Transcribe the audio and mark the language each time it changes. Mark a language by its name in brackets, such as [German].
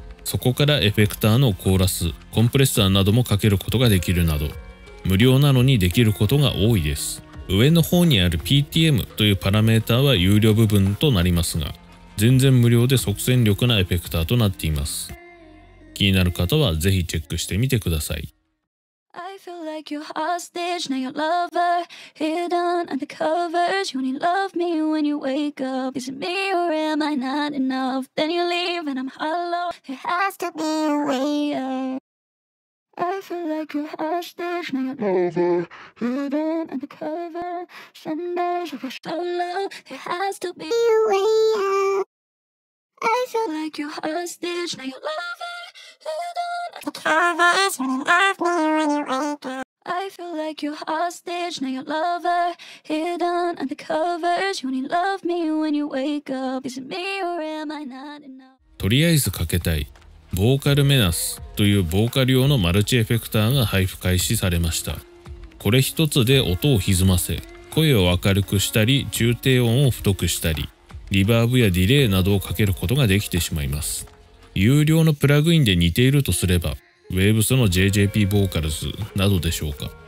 [Japanese] そこからエフェクターのコーラス、コンプレッサーなどもかけることができるなど、無料なのにできることが多いです。上の方にある PTM というパラメーターは有料部分となりますが、全然無料で即戦力なエフェクターとなっています。気になる方はぜひチェックしてみてください。 [English] Like you're hostage, now you're lover Hidden under covers You only love me when you wake up Is it me or am I not enough? Then you leave and I'm hollow There has to be a way out I feel like you're hostage, now you're lover Hidden under cover Sunday, you're so low There has to be a way out I feel like you're hostage, now you're lover Hidden under covers You only love me when you wake up I feel like you're hostage, now you're lover. Hidden under covers, you only love me when you wake up. Is it me or am I not enough? [Japanese] とりあえずかけたい。ボーカルメナスというボーカル用のマルチエフェクターが配布開始されました。これ一つで音を歪ませ、声を明るくしたり、中低音を太くしたり、リバーブやディレイなどをかけることができてしまいます。有料のプラグインで似ているとすれば、Waves の JJP ボーカルズなどでしょうか。